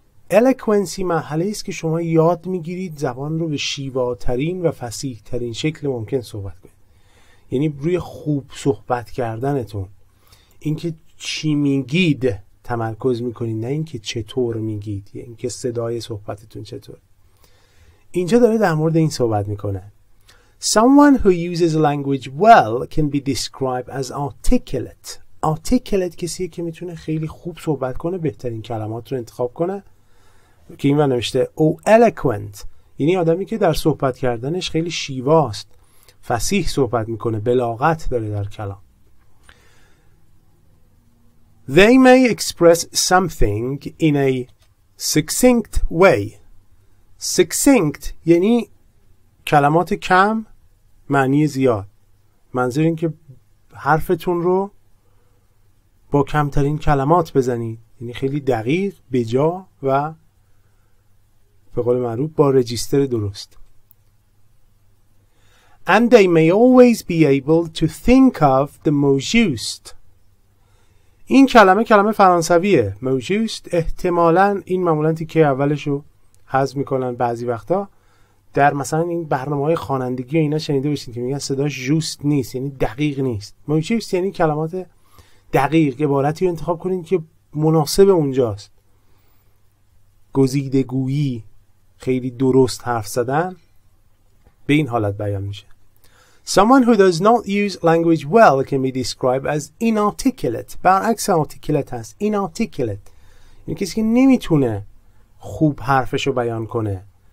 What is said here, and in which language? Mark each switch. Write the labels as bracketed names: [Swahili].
[Persian] الکوئنسی مرحله ایست که شما یاد میگیرید زبان رو به شیواترین و فصیح‌ترین شکل ممکن صحبت کنید، یعنی روی خوب صحبت کردنتون، اینکه چی میگید تمرکز میکنید، نه اینکه چطور میگید، یعنی اینکه صدای صحبتتون چطور. اینجا داره در مورد این صحبت میکنه. [English] Someone who uses language well can be described as articulate. [Persian] Articulate کسیه که میتونه خیلی خوب صحبت کنه، بهترین کلمات رو انتخاب کنه، که این من نوشته او eloquent، یعنی آدمی که در صحبت کردنش خیلی شیواست، فصیح صحبت میکنه، بلاغت داره در کلام. [English] They may express something in a succinct way. [Persian] Succinct یعنی کلمات کم، معنی زیاد. منظور این که حرفتون رو با کمترین کلمات بزنید، یعنی خیلی دقیق، بجا و به قول معروف با رجیستر درست. [English] And they may always be able to think of the most used. [Persian] این کلمه کلمه فرانسویه، [English] most used، [Persian] احتمالاً این معمولاً تیکه اولشو حذف میکنن بعضی وقتا، در مثلا این برنامه‌های خوانندگی اینا شنیده باشین که میگن صداش جوست نیست، یعنی دقیق نیست. موچیست یعنی کلمات دقیق، عبارتی رو انتخاب کنین که مناسب اونجاست. گزیدگویی، خیلی درست حرف زدن به این حالت بیان میشه. [English] Someone who does not use language well can be described as inarticulate. [Persian] برعکس articulate هست، inarticulate، یعنی کسی که نمیتونه خوب حرفشو بیان کنه.